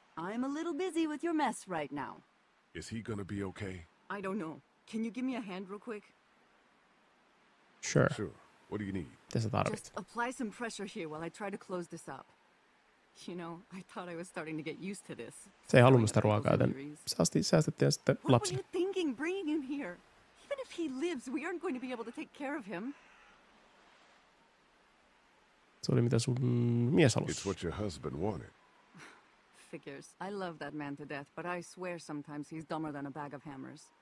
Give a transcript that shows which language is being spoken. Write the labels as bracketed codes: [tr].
[en] I'm a little busy with your mess right now. Is he gonna be okay? I don't know. Can you give me a hand real quick? Sure. Sure. What do you need? Just apply some pressure here while I try to close this up. You know, I thought I was starting to get used to this. [fi] Se ei halunnut sitä ruokaa, joten säästettiin ja sitten lapsi. [en] What were you thinking bringing him here? Even if he lives, we aren't going to be able to take care of him. [fi] Se oli mitä sun mies halusi. [en] It's what your husband wanted. Figures. I love that man to death, but I swear sometimes he's dumber than a bag of hammers.